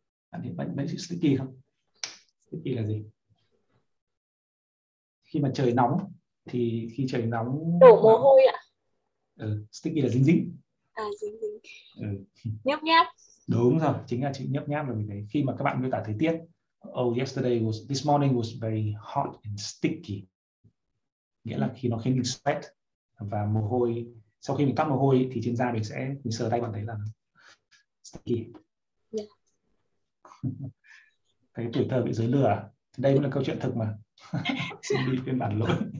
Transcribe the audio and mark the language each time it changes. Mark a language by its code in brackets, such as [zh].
[vi] Bạn thấy bệnh chữ sticky không? Sticky là gì? Khi mà trời nóng thì khi trời nóng đổ mồ hôi ạ. Ừ, sticky là dính dính. À dính dính. Ừ. Nhấp nháp. Đúng rồi, chính là chữ nhấp nháp là mình thấy khi mà các bạn miêu tả thời tiết. [en] Oh, yesterday was, this morning was very hot and sticky. [vi] Nghĩa là khi nó khiến mình sweat và mồ hôi, sau khi mình toát mồ hôi thì trên da mình sẽ, mình sờ tay bạn thấy là sticky. [en] Yeah. [vi] Thấy tuổi thơ bị giới lừa à? Đây cũng là câu chuyện thực mà. Xin đi phiên bản lỗi.